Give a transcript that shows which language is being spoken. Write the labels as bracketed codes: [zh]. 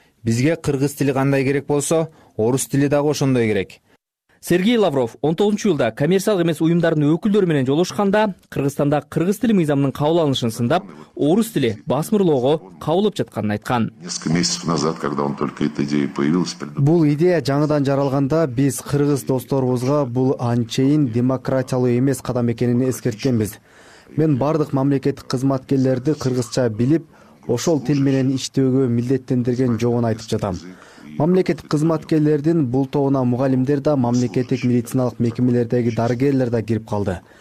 [ky] Бизге кыргыз тили кандай керек болсо, орус тили дагы ошондой керек. Сергей Лавров 19 жылда коммерциялык эмес уюмдардын өкүлдөрү менен жолушканда, Кыргызстанда кыргыз тили мыйзамынын кабыл алынышын сындап, орус тили басмырлоого кабылып жатканын айткан. [ru] Несколько месяцев назад, когда он только эта идея появилась, [ky] бул идея жаңыдан жаралганда биз кыргыз досторубузга бул анчейин демократиялуу эмес кадам экенин эскерткенбиз. Мен бардык мамлекеттик кызматкерлерди кыргызча билип, ошол тил менен иштөөгө милдеттендирген жобону айтып жатам. Мамлекеттик кызматкерлердин бул тобуна мугалимдер да, мамлекеттик медициналык мекемелердеги дарыгерлер да кирип калды.